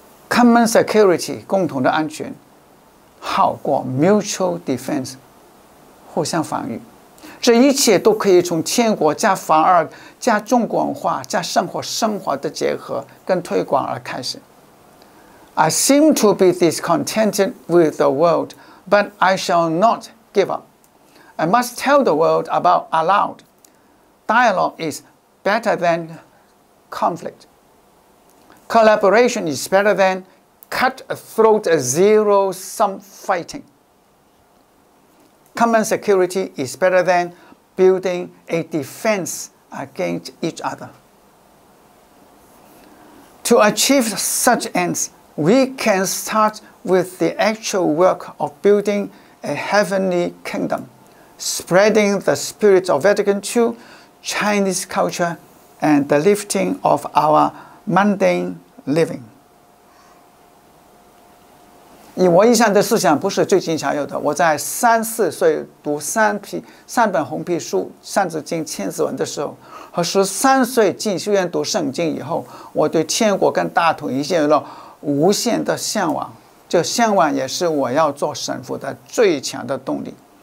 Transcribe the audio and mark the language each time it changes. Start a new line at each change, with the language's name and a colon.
English: Common security,
Chinese: 共同的安全，好过
English: mutual defense,
Chinese: 互相防御。这一切都可以从天国加反而加中国文化加生活升华的结合跟推广而开始。
English: I seem to be discontented with the world, but I shall not give up. I must tell the world about aloud. Dialogue is... better than conflict. Collaboration is better than cutthroat zero-sum fighting. Common security is better than building a defense against each other. To achieve such ends, we can start with the actual work of building a heavenly kingdom, spreading the spirit of Vatican II, Chinese culture,and the lifting of our mundane living.
Chinese: 以我以上的思想不是最近才有的，我在三四岁读三本红皮书三字经千字文的时候，和13岁进修院读圣经以后，我对天国跟大同一切有了无限的向往，这向往也是我要做神父的最强的动力。